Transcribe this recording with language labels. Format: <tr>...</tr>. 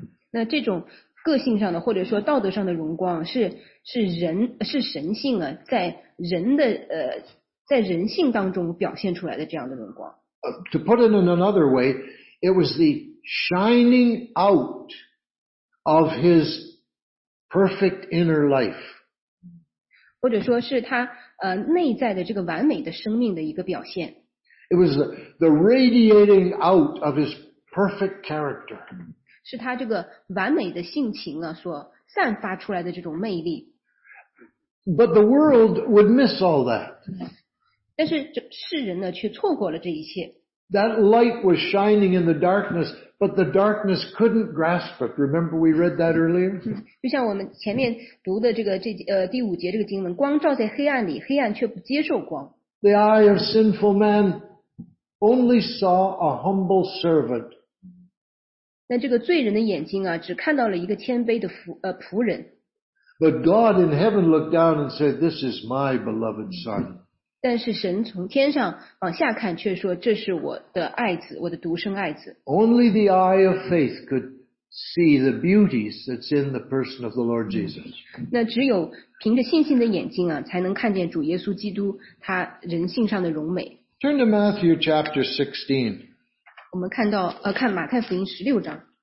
<zh>那这种个性上的或者说道德上的荣光是神性啊，在人的在人性当中表现出来的这样的荣光。</zh> <en>To put it in another way, it was the shining out of his perfect inner life.</en> <zh>或者说是他内在的这个完美的生命的一个表现。</zh> <en>It was the radiating out of his perfect character.</en> <zh>是他这个完美的性情啊所散发出来的这种魅力。</zh> <en>But the world would miss all that.</en> <zh>但是这世人呢却错过了这一切。</zh> <en>That light was shining in the darkness, but the darkness couldn't grasp it. Remember we read that earlier?</en> <zh>就像我们前面读的这个这第五节这个经文，光照在黑暗里，黑暗却不接受光。</zh> <en>The eye of sinful man only saw a humble servant.</en> <zh>那这个罪人的眼睛啊，只看到了一个谦卑的仆人。</zh> <en>But God in heaven looked down and said, "This is my beloved son."</en> <zh>但是神从天上往下看，却说这是我的爱子，我的独生爱子。</zh> <en>Only the eye of faith could see the beauties that's in the person of the Lord Jesus.</en> <zh>那只有凭着信心的眼睛啊，才能看见主耶稣基督他人性上的荣美。</zh> <en>Turn to Matthew chapter 16.</en> <zh>我们看到看马太福音十六章。</zh>